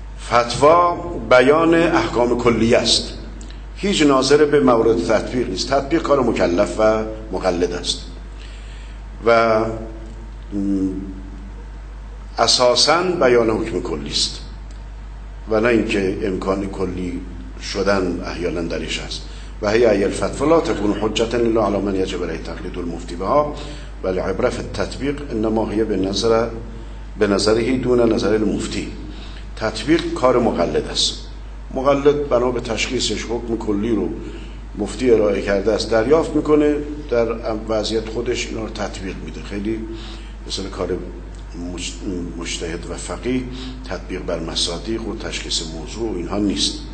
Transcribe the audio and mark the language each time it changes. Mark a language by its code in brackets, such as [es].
[fa] فتوا بیان احکام کلیه است، هیچ ناظر به مورد تطبیق نیست، تطبیق کار مکلف و مقلد است و اساساً بیان حکم کلی است و نه اینکه امکان کلی شدن احیاناً درش است. [ar] و هی ای الفتوا لا تكون حجة الا على من يجب عليه تقليد المفتي بها بل عبره في التطبيق انما هي بنظره دون نظر المفتي. [fa] تطبیق کار مقلد است، مقلد بنا به تشخیصش حکم کلی رو مفتی ارائه کرده است دریافت میکنه، در وضعیت خودش اینا رو تطبیق میده، خیلی مثل کار مجتهد و فقیه تطبیق بر مصادیق و تشخیص موضوع اینها نیست.